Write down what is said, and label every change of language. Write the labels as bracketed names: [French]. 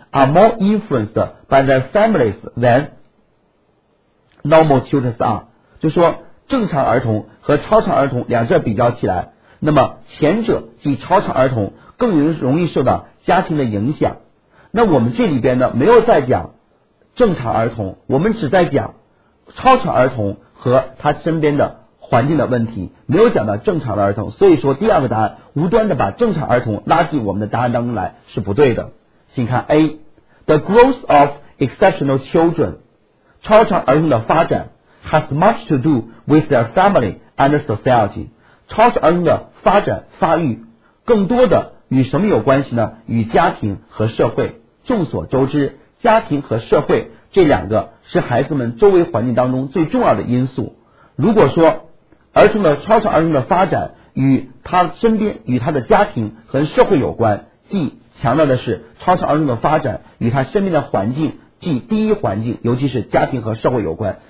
[English] are more influenced by their families than normal children are. [Chinese] 就说正常儿童和超常儿童两者比较起来，那么前者即超常儿童更容易受到家庭的影响。那我们这里边呢，没有在讲正常儿童，我们只在讲超常儿童和他身边的环境的问题，没有讲到正常的儿童。所以说第二个答案无端的把正常儿童拉进我们的答案当中来是不对的。 [English] 请看 A， The growth of exceptional children，超常儿童的发展 has much to do with their family and society。 [Chinese] 超常儿童的发展发育更多的与什么有关系呢？与家庭和社会。众所周知，家庭和社会这两个是孩子们周围环境当中最重要的因素。如果说儿童的超常儿童的发展与他身边与他的家庭和社会有关，即强调的是超常儿童的发展与他身边的环境，即第一环境尤其是家庭和社会有关。